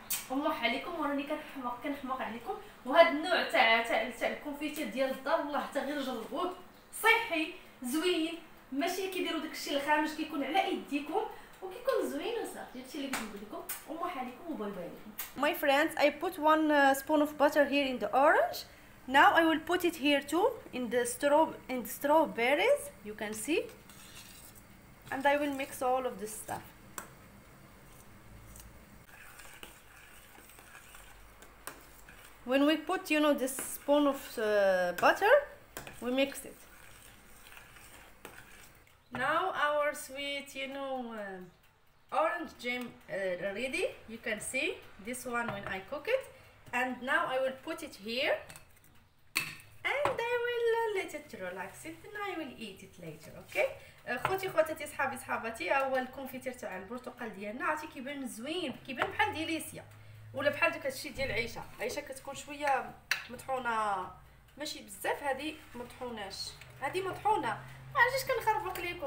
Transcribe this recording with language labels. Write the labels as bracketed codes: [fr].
[ar] وموح عليكم وراني كنحماق عليكم. وهذا النوع تاع الكونفيتير ديال الدار والله حتى غير جربوه صحي زوين ماشي كيديروا داكشي الخامج كيكون على يديكم وكيكون زوين وصافي. هادشي اللي كنت نقول لكم وموح عليكم وباي باي لكم. [en] My friends I put one spoon of butter here in the orange. Now I will put it here too in the strawberries you can see and I will mix all of this stuff. When we put, you know, this spoon of butter, we mix it. Now our sweet, you know, orange jam ready. You can see this one when I cook it. And now I will put it here. And I will let it relax it and I will eat it later, okay? [ar] خوتي خواتاتي صحابي صحاباتي أول كونفيتير تاع البرتقال ديالنا عرفتي كيبان زوين كيبان بحال ديليسيا ولا بحال داك الشيء ديال عيشه كتكون شويه مطحونه ماشي بزاف. هذه مطحوناش هذه مطحونه ما عرفتش كنخربق ليكم.